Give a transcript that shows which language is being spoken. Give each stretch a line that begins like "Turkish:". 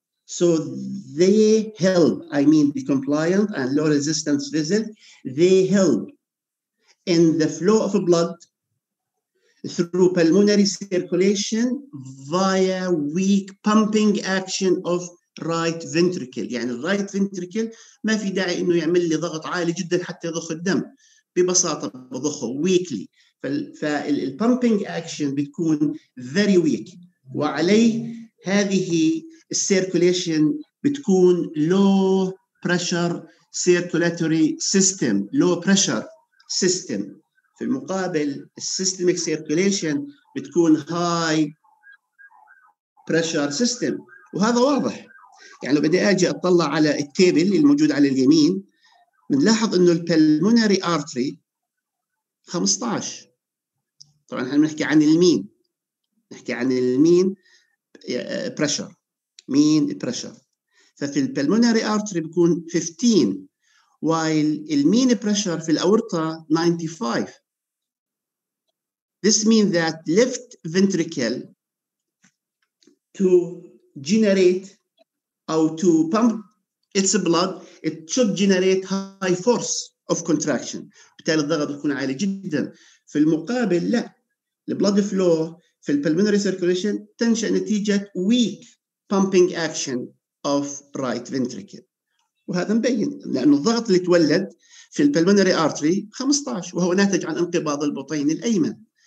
English: So they help, I mean the compliant and low resistance vessel, they help in the flow of blood through pulmonary circulation via weak pumping action of right ventricle.
Arabic: يعني right ventricle ما في داعي إنه يعمل لي ضغط عالي جدا حتى يضخ الدم. ببساطة بضخه
English: weakly.
Arabic: فال
English: pumping action
Arabic: بتكون
English: very weak.
Arabic: وعليه هذه
English: circulation
Arabic: بتكون
English: low pressure circulatory system. Low pressure system.
Arabic: في المقابل
English: systemic circulation
Arabic: بتكون
English: high pressure system.
Arabic: وهذا واضح. يعني لو بدي أجي أطلع على التابل الموجود على اليمين بنلاحظ أنه البلمونري آرتري 15. طبعاً نحن نحكي عن المين. نحكي عن المين بريشر. مين بريشر. ففي البلمونري آرتري بيكون 15
English: while
Arabic: المين بريشر في الأورطة 95.
English: This means that left ventricle to generate or to pump its blood, it should generate high force of contraction.
Arabic: بالتالي الضغط يكون عالي جدا. في المقابل لا.
English: The blood flow
Arabic: في
English: pulmonary circulation
Arabic: تنشأ نتيجة
English: weak pumping action of right ventricle.
Arabic: وهذا مبين لأن الضغط اللي تولد في pulmonary artery 15 وهو ناتج عن انقباض البطين الأيمن.